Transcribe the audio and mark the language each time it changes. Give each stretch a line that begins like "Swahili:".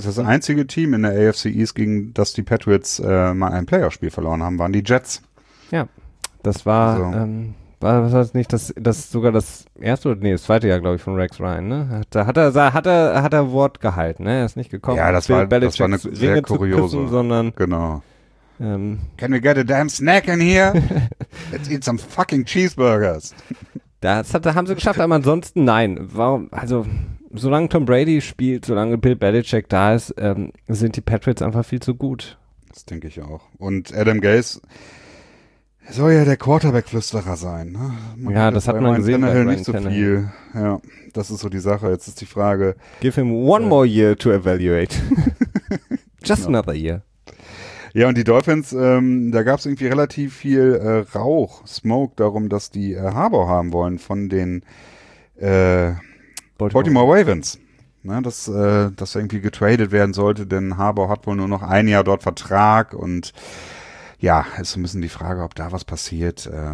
German: Übrigens, das einzige Team in der AFC East, gegen das die Patriots mal ein Playoffspiel verloren haben, waren die Jets. Ja, das war. Also. Was heißt nicht, das sogar das erste oder nee, das zweite Jahr, glaube ich, von Rex Ryan, ne? Hat er Wort gehalten, ne? Er ist nicht gekommen. Ja, das war eine sehr kuriose. Küssen, sondern genau.
English: Can we get a damn snack in here? Let's eat some fucking cheeseburgers.
German: Haben sie geschafft, aber ansonsten nein. Warum? Also, solange Tom Brady spielt, solange Bill Belichick da ist, sind die Patriots einfach viel zu gut. Das denke ich auch. Und Adam Gase, er soll ja der Quarterback-Flüsterer sein. Ne? Ja, das hat man gesehen. Bei Tannehill nicht so viel. Ja, das ist so die Sache. Jetzt ist die Frage.
English: Give him one more year to evaluate. Just
German: genau.
English: Another year.
German: Ja, und die Dolphins, da gab es irgendwie relativ viel Rauch, Smoke darum, dass die Harbaugh haben wollen von den Baltimore Ravens. Ne, dass er irgendwie getradet werden sollte, denn Harbaugh hat wohl nur noch ein Jahr dort Vertrag und ja, ist so ein bisschen die Frage, ob da was passiert.